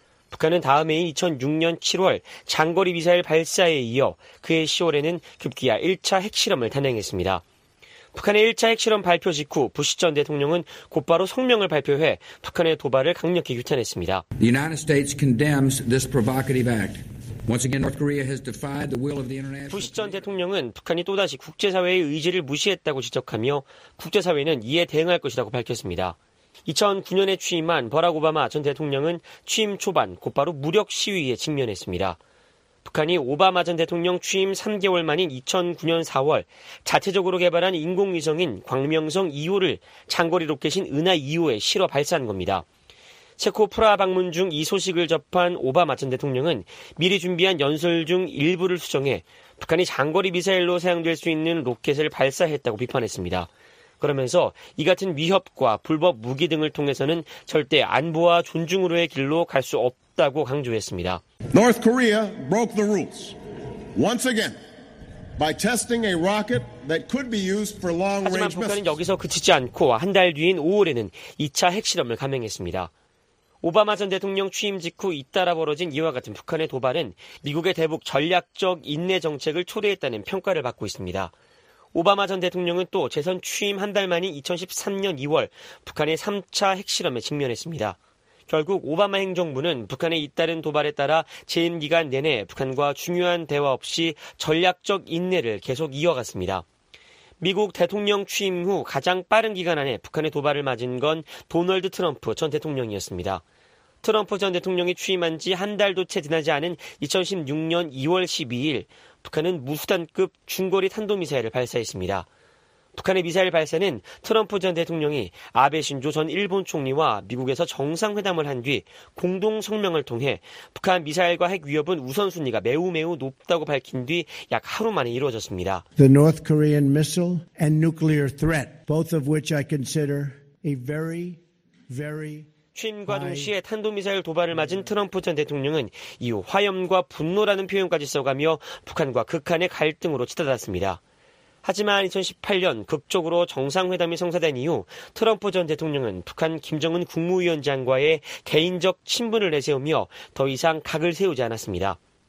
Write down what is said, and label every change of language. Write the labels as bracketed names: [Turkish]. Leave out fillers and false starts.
[Korean] 북한은 다음 해인 2006년 7월 장거리 미사일 발사에 이어 그해 10월에는 급기야 1차 핵실험을 단행했습니다. 북한의 1차 핵실험 발표 직후 부시 전 대통령은 곧바로 성명을 발표해 북한의 도발을 강력히 규탄했습니다. [English] The United States condemns this provocative act. Once again, North Korea has defied the will of the international. [Korean] 부시 전 대통령은 북한이 또다시 국제사회의 의지를 무시했다고 지적하며 국제사회는 이에 대응할 것이라고 밝혔습니다. 2009년에 취임한 버락 오바마 전 대통령은 취임 초반 곧바로 무력 시위에 직면했습니다. 북한이 오바마 전 대통령 취임 3개월 만인 2009년 4월 자체적으로 개발한 인공위성인 광명성 2호를 장거리 로켓인 은하 2호에 실어 발사한 겁니다. 체코 프라하 방문 중 이 소식을 접한 오바마 전 대통령은 미리 준비한 연설 중 일부를 수정해 북한이 장거리 미사일로 사용될 수 있는 로켓을 발사했다고 비판했습니다. 그러면서 이 같은 위협과 불법 무기 등을 통해서는 절대 안보와 존중으로의 길로 갈 수 없다고 강조했습니다. [English] North Korea broke the rules once again by testing a rocket that could be used for long-range missiles. [Korean] 하지만 북한은 여기서 그치지 않고 한 달 뒤인 5월에는 2차 핵실험을 감행했습니다. 오바마 전 대통령 취임 직후 잇따라 벌어진 이와 같은 북한의 도발은 미국의 대북 전략적 인내 정책을 초래했다는 평가를 받고 있습니다. 오바마 전 대통령은 또 재선 취임 한 달 만인 2013년 2월 북한의 3차 핵실험에 직면했습니다. 결국 오바마 행정부는 북한의 잇따른 도발에 따라 재임 기간 내내 북한과 중요한 대화 없이 전략적 인내를 계속 이어갔습니다. 미국 대통령 취임 후 가장 빠른 기간 안에 북한의 도발을 맞은 건 도널드 트럼프 전 대통령이었습니다. 트럼프 전 대통령이 취임한 지 한 달도 채 지나지 않은 2016년 2월 12일 북한은 무수단급 중거리 탄도미사일을 발사했습니다. 북한의 미사일 발사는 트럼프 전 대통령이 아베 신조 전 일본 총리와 미국에서 정상회담을 한 뒤 공동 성명을 통해 북한 미사일과 핵 위협은 우선순위가 매우 높다고 밝힌 뒤 약 하루 만에 이루어졌습니다. [English] The North Korean missile and nuclear threat, both of which I consider a very, very [Korean] 취임과 동시에 탄도미사일 도발을 맞은 트럼프 전 대통령은 이후 화염과 분노라는 표현까지 써가며 북한과 극한의 갈등으로 치닫았습니다. 하지만 2018년 극적으로 정상회담이 성사된 이후 트럼프 전 대통령은 북한 김정은 국무위원장과의 개인적 친분을 내세우며 더 이상 각을 세우지 않았습니다.